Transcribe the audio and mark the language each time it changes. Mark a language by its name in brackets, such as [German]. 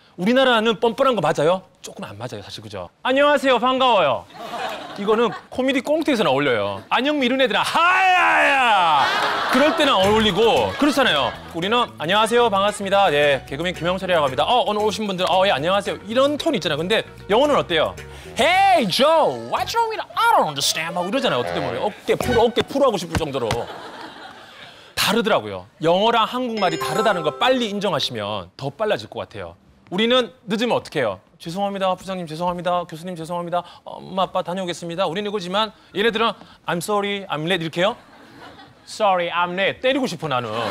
[Korean] 우리나라는 뻔뻔한 거 맞아요? 조금 안 맞아요, 사실 그죠? 안녕하세요, 반가워요. 이거는 코미디 꽁트에서 어울려요. 안녕 미룬 애들아, 하야야! 그럴 때는 어울리고, 그렇잖아요. 우리는 안녕하세요, 반갑습니다. 예, 개그맨 김영철이라고 합니다. 오늘 오신 분들, 예, 안녕하세요. 이런 톤 있잖아요. 근데 영어는 어때요? [English] Hey, Joe, what you mean? I don't understand. [Korean] 막 이러잖아요. 어떻게 보면 어깨 풀어 하고 싶을 정도로. 다르더라고요. 영어랑 한국말이 다르다는 거 빨리 인정하시면 더 빨라질 것 같아요. 우리는 늦으면 어떡해요? 죄송합니다. 부장님 죄송합니다. 교수님 죄송합니다. 엄마 아빠 다녀오겠습니다. 우리는 이거지만 얘네들은 [English] I'm sorry, I'm late [Korean] 이렇게요? [English] Sorry, I'm late. [Korean] 때리고 싶어 나는.